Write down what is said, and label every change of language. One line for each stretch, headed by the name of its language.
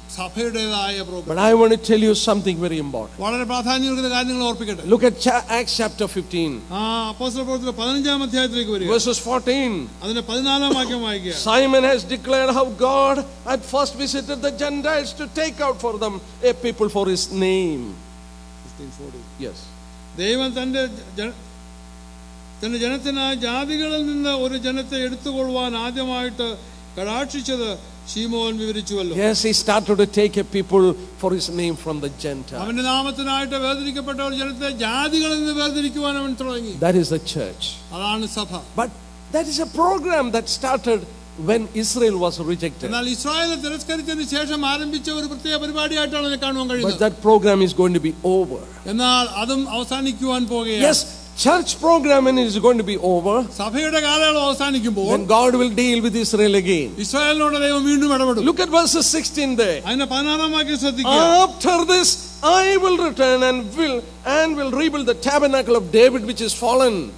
English: But I want to tell you something very important. Look at Acts chapter 15. Verses 14. Simon has declared how God at first visited the Gentiles to take out for them a people for his name. 15:14. Yes.
Malayalam: ദൈവം തന്റെ ജനത്തിനായി ജാതികളിൽ നിന്ന് ഒരു ജനത്തെ എടുത്തുകൊള്ളുവാൻ ആദ്യമായിട്ട് കടാക്ഷിച്ചത് ശീമോൻ വിവരിച്ചുവല്ലോ.
English: Yes, he started to take a people for his name from the Gentiles.
Malayalam: അവന്റെ നാമത്തിനായിട്ട് വേർതിരിക്കപ്പെട്ട ഒരു ജനത്തെ ജാതികളിൽ നിന്ന് വേർതിരിക്കുവാൻ അവൻ തുടങ്ങി.
English: That is the church.
Malayalam: അതാണ് സഭ.
English: But that is a program that started when Israel was rejected.
Malayalam: എന്നാൽ ഇസ്രായേൽ തിരസ്കരിച്ചതിനു ശേഷം ആരംഭിച്ച ഒരു പ്രത്യേക പരിപാടിയായിട്ടാണ് അതിനെ കാണുവാൻ കഴിയുന്നത്.
English: But that program is going to be over.
Malayalam: എന്നാൽ അതും അവസാനിക്കുവാൻ പോകുകയാണ്.
English: Yes, church program is going to be over.
Malayalam: സഭയുടെ കാലയളവ് അവസാനിക്കുമ്പോൾ
English: then God will deal with Israel again.
Malayalam: ഇസ്രായേലിനോട് ദൈവം വീണ്ടും ഇടപെടും.
English: Look at verses 16 there.
Malayalam: അതിനെ 16-ാം വാക്യം ശ്രദ്ധിക്കുക.
English: After this I will return and will rebuild the tabernacle of David which is fallen.